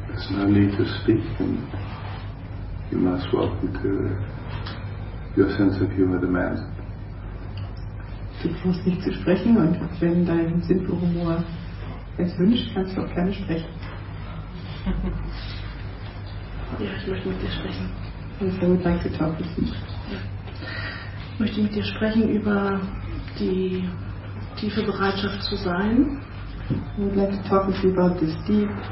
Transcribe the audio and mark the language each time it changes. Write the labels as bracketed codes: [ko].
[en] No need to speak, and you might as well, because your sense of humor demands it. [de] Du brauchst nicht zu sprechen, und wenn dein Sinn für Humor es wünscht, kannst du auch gerne sprechen. Ja, ich möchte mit dir sprechen. Und so [en] would like to talk with you. [de] Ich möchte mit dir sprechen über die tiefe Bereitschaft zu sein. [en] I would like to talk with you about this deep